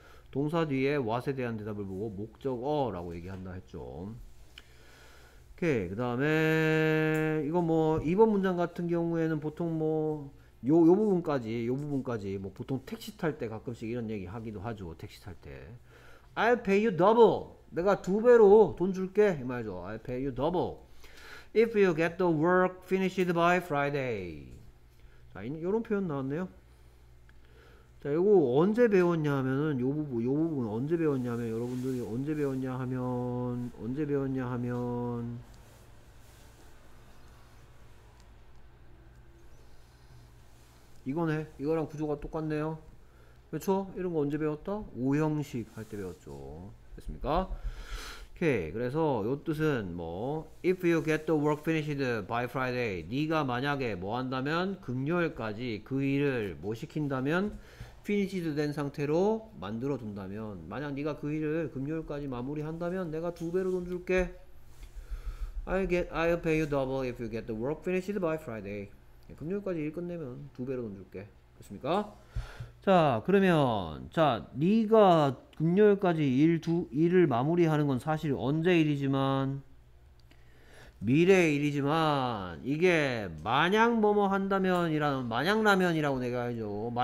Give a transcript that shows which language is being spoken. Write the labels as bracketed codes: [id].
[ko] 동사 뒤에 what에 대한 대답을 보고 목적어라고 얘기한다 했죠. 오케이. 그다음에 이거 뭐 2번 문장 같은 경우에는 보통 뭐요 부분까지 요 부분까지 뭐 보통 택시 탈때 가끔씩 이런 얘기 하기도 하죠. 택시 탈때 [en] I'll pay you double [ko] 내가 두 배로 돈 줄게 이 말이죠. [en] I'll pay you double if you get the work finished by Friday. [ko] 자, 이런 표현 나왔네요. 자, 요거 언제 배웠냐면은 요 부분 언제 배웠냐면 여러분들이 언제 배웠냐 하면 언제 배웠냐 하면 이거네. 이거랑 구조가 똑같네요. 그렇죠? 이런 거 언제 배웠다? 5형식 할때 배웠죠. 됐습니까? 오케이. 그래서 요 뜻은 뭐 [en] if you get the work finished by Friday, [ko] 네가 만약에 뭐 한다면 금요일까지 그 일을 뭐 시킨다면 finished 된 상태로 만들어 둔다면 만약 네가 그 일을 금요일까지 마무리한다면 내가 두 배로 돈 줄게. [en] I'll pay you double if you get the work finished by Friday. [ko] 금요일까지 일 끝내면 두 배로 돈 줄게. 됐습니까? 자, 그러면 자, 네가 금요일까지 일을 마무리하는 건 사실 언제 일이지만 미래의 일이지만 이게 마냥 뭐뭐 한다면이라는 마냥라면이라고 내가 알죠.